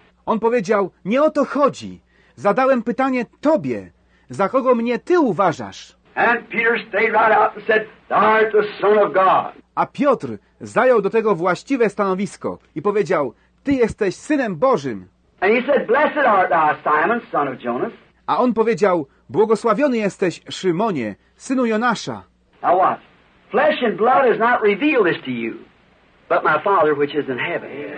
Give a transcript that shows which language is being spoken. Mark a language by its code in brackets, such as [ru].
[pl] On powiedział, nie o to chodzi. Zadałem pytanie tobie. Za kogo mnie ty uważasz? [en] And Peter stayed right out and said, thou art the Son of God. [pl] A Piotr zajął do tego właściwe stanowisko i powiedział, ty jesteś Synem Bożym. [en] And he said, blessed art thou, Simon, son of Jonas. [pl] A on powiedział, błogosławiony jesteś, Szymonie, synu Jonasza. [en] Now watch. Flesh and blood has not revealed this to you, but my Father which is in heaven.